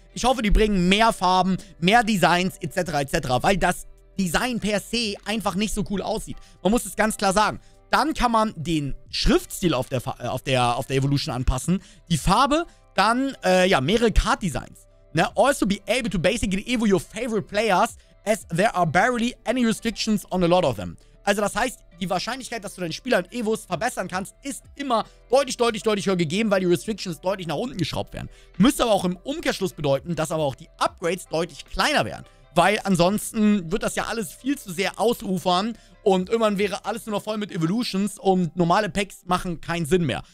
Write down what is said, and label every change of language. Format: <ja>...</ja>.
<de>Ich hoffe, die bringen mehr Farben, mehr Designs etc. etc., weil das Design per se einfach nicht so cool aussieht. Man muss es ganz klar sagen. Dann kann man den Schriftstil auf der Evolution anpassen, die Farbe, dann mehrere Card-Designs. Ne?</de> <en>Also be able to basically evo your favorite players, as there are barely any restrictions on a lot of them.</en> <de>Also das heißt, die Wahrscheinlichkeit, dass du deinen Spieler in Evos verbessern kannst, ist immer deutlich höher gegeben, weil die Restrictions deutlich nach unten geschraubt werden. Müsste aber auch im Umkehrschluss bedeuten, dass aber auch die Upgrades deutlich kleiner werden. Weil ansonsten wird das ja alles viel zu sehr ausufern und irgendwann wäre alles nur noch voll mit Evolutions und normale Packs machen keinen Sinn mehr.</de>